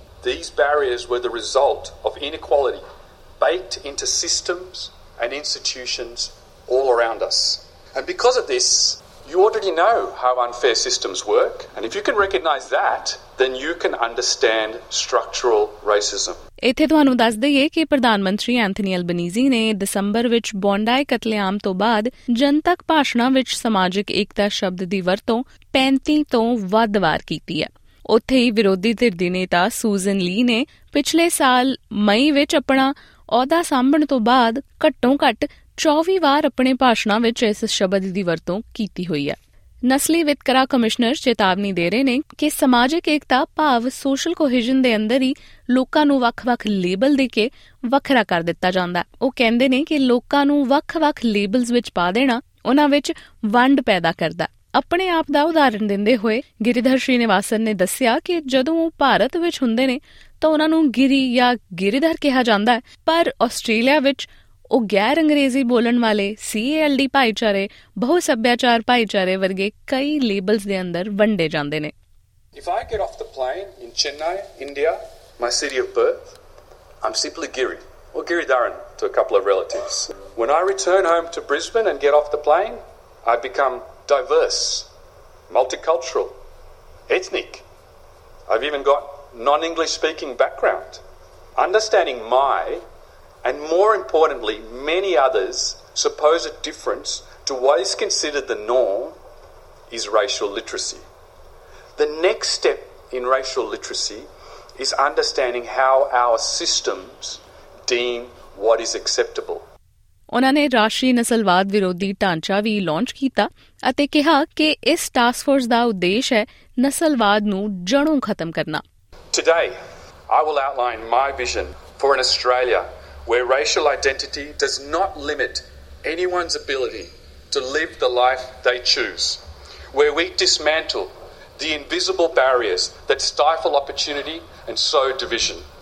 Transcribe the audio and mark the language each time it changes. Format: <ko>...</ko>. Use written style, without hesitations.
<en>These barriers were the result of inequality baked into systems and institutions all around us. And because of this, you already know how unfair systems work, and if you can recognize that, then you can understand structural racism.</en> <pa>ਇੱਥੇ ਤੁਹਾਨੂੰ ਦੱਸ ਦਈਏ ਕਿ ਪ੍ਰਧਾਨ ਮੰਤਰੀ Anthony Albanese ਨੇ ਦਸੰਬਰ ਵਿੱਚ ਬੌਂਡਾਈ ਕਤਲੇਆਮ ਤੋਂ ਬਾਅਦ ਜਨਤਕ ਭਾਸ਼ਣਾਂ ਵਿੱਚ ਸਮਾਜਿਕ ਏਕਤਾ ਸ਼ਬਦ ਦੀ ਵਰਤੋਂ 35 ਤੋਂ ਵੱਧ ਵਾਰ ਕੀਤੀ ਹੈ। ਉੱਥੇ ਹੀ ਵਿਰੋਧੀ ਧਿਰ ਦੀ ਨੇਤਾ ਸੂਜ਼ਨ ਲੀ ਨੇ ਪਿਛਲੇ ਸਾਲ ਮਈ ਵਿੱਚ ਆਪਣਾ ਅਹੁਦਾ ਸਾਂਭਣ ਤੋਂ ਬਾਅਦ ਘੱਟੋ ਘੱਟ 24 ਵਾਰ ਆਪਣੇ ਭਾਸ਼ਣਾਂ ਵਿੱਚ ਇਸ ਸ਼ਬਦ ਦੀ ਵਰਤੋਂ ਕੀਤੀ ਹੋਈ ਹੈ। ਨਸਲੀ ਵਿਤਕਰਾ ਕਮਿਸ਼ਨਰ ਚੇਤਾਵਨੀ ਦੇ ਰਹੇ ਨੇ ਕਿ ਸਮਾਜਿਕ ਏਕਤਾ ਭਾਵ ਸੋਸ਼ਲ ਕੋਹੀਜ਼ਨ ਦੇ ਅੰਦਰ ਹੀ ਲੋਕਾਂ ਨੂੰ ਵੱਖ ਵੱਖ ਲੇਬਲ ਦੇ ਕੇ ਵੱਖਰਾ ਕਰ ਦਿੱਤਾ ਜਾਂਦਾ। ਉਹ ਕਹਿੰਦੇ ਨੇ ਕਿ ਲੋਕਾਂ ਨੂੰ ਵੱਖ ਵੱਖ ਲੇਬਲਸ ਵਿੱਚ ਪਾ ਦੇਣਾ ਉਨ੍ਹਾਂ ਵਿੱਚ ਵੰਡ ਪੈਦਾ ਕਰਦਾ। ਆਪਣੇ ਆਪ ਦਾ ਉਦਾਹਰਣ ਦਿੰਦੇ ਹੋਏ ਗਿਰੀਧਰ ਸ਼੍ਰੀਨਿਵਾਸਨ ਨੇ ਦੱਸਿਆ ਕਿ ਜਦੋਂ ਉਹ ਭਾਰਤ ਵਿੱਚ ਹੁੰਦੇ ਨੇ ਤਾਂ ਉਨ੍ਹਾਂ ਨੂੰ ਗਿਰੀ ਜਾਂ ਗਿਰੀਧਰ ਕਿਹਾ ਜਾਂਦਾ, ਪਰ ਆਸਟ੍ਰੇਲੀਆ ਵਿੱਚ ਉਹ ਗੈਰ ਅੰਗਰੇਜ਼ੀ ਬੋਲਣ ਵਾਲੇ CALD ਭਾਈਚਾਰੇ, ਬਹੁ ਸੱਭਿਆਚਾਰ ਭਾਈਚਾਰੇ ਵਰਗੇ ਕਈ ਲੇਬਲਸ ਦੇ ਅੰਦਰ ਵੰਡੇ ਜਾਂਦੇ ਨੇ।</pa> <en>If I get off the plane in Chennai, India, my city of birth, I'm simply Giri, or Giridharan to a couple of relatives. When I return home to Brisbane and get off the plane, I become diverse, multicultural, ethnic. I've even got non-English speaking background. Understanding my and more importantly, many others, supposed difference to what is considered the norm is racial literacy. The next step in racial literacy is understanding how our systems deem what is acceptable.</en> <pa>ਉਹਨਾਂ ਨੇ ਰਾਸ਼ਟਰੀ ਨਸਲਵਾਦ ਵਿਰੋਧੀ ਢਾਂਚਾ ਵੀ launch ਕੀਤਾ ਅਤੇ ਕਿਹਾ ਕਿ ਇਸ ਟਾਸਕ ਫੋਰਸ ਦਾ ਉਦੇਸ਼ ਹੈ ਨਸਲਵਾਦ ਨੂੰ ਜੜੋਂ ਖਤਮ ਕਰਨਾ।</pa> <en>Today, I will outline my vision for an Australia where racial identity does not limit anyone's ability to live the life they choose, where we dismantle the invisible barriers that stifle opportunity and sow division.</en>